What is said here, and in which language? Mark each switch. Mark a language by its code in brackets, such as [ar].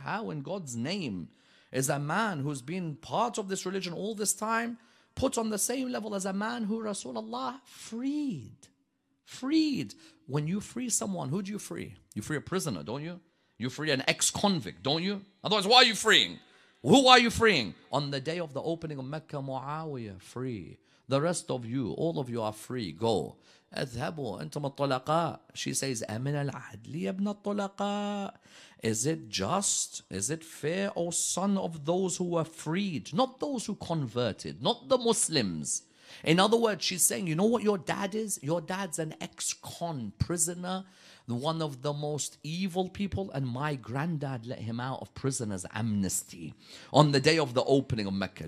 [en] How in God's name is a man who's been part of this religion all this time put on the same level as a man who Rasulullah freed? Freed. When you free someone, who do you free? You free a prisoner, don't you? You free an ex-convict, don't you? Otherwise, why are you freeing? Who are you freeing? On the day of the opening of Mecca, Muawiyah, free. The rest of you, all of you are free. Go. [ar] اذهبوا انتم الطلقاء. [en] She says, [ar] أمن العدل ابن الطلقاء. [en] Is it just? Is it fair, O son of those who were freed? Not those who converted, not the Muslims. In other words, she's saying, you know what your dad is? Your dad's an ex-con prisoner, one of the most evil people, and my granddad let him out of prison as amnesty on the day of the opening of Mecca.